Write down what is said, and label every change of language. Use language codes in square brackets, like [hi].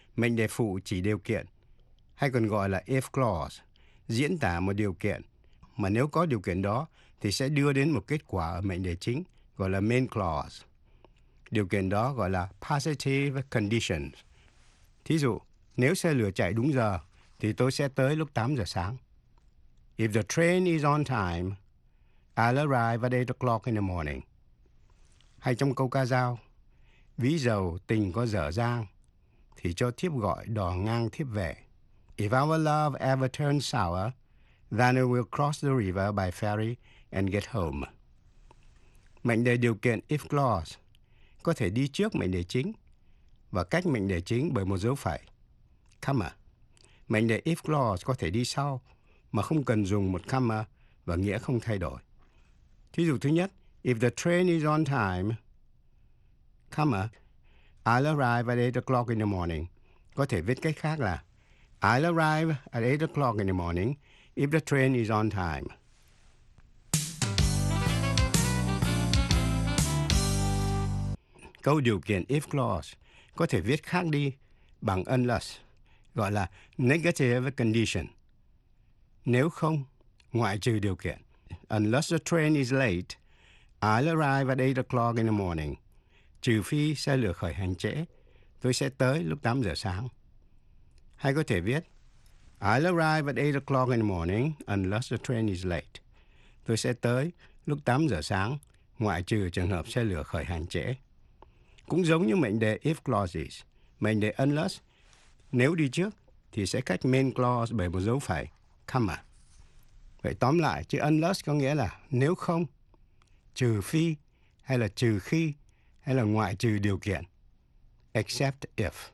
[vi] Mệnh đề phụ chỉ điều kiện, hay còn gọi là if clause, diễn tả một điều kiện, mà nếu có điều kiện đó thì sẽ đưa đến một kết quả ở mệnh đề chính, gọi là main clause. Điều kiện đó gọi là positive conditions. Thí dụ, nếu xe lửa chạy đúng giờ thì tôi sẽ tới lúc 8 giờ sáng. [en] If the train is on time, I'll arrive at 8 o'clock in the morning. [vi] Hay trong câu ca dao, ví dầu tình có dở dang thì cho thiếp gọi đò ngang thiếp về. [en] If our love ever turns sour, then we will cross the river by ferry and get home. [vi] Mệnh đề điều kiện if clause có thể đi trước mệnh đề chính và cách mệnh đề chính bởi một dấu phẩy, comma. Mệnh đề if clause có thể đi sau mà không cần dùng một comma và nghĩa không thay đổi. Thí dụ thứ nhất, [en] if the train is on time, comma, I'll arrive at 8 o'clock in the morning. [vi] Có thể viết cách khác là [en] I'll arrive at 8 o'clock in the morning if the train is on time. [vi] Câu điều kiện if clause có thể viết khác đi bằng unless, gọi là negative condition. Nếu không, ngoại trừ điều kiện. [en] Unless the train is late, I'll arrive at 8 o'clock in the morning. [vi] Trừ phi xe lửa khởi hành trễ, tôi sẽ tới lúc 8 giờ sáng. Hay có thể viết, [en] I'll arrive at 8 o'clock in the morning unless the train is late. [vi] Tôi sẽ tới lúc 8 giờ sáng, ngoại trừ trường hợp xe lửa khởi hành trễ. Cũng giống như mệnh đề if clauses, mệnh đề unless, nếu đi trước thì sẽ cách main clause bởi một dấu phẩy, comma. Vậy tóm lại, chữ unless có nghĩa là nếu không, trừ phi, hay là trừ khi, hay là ngoại trừ điều kiện, [en] except if.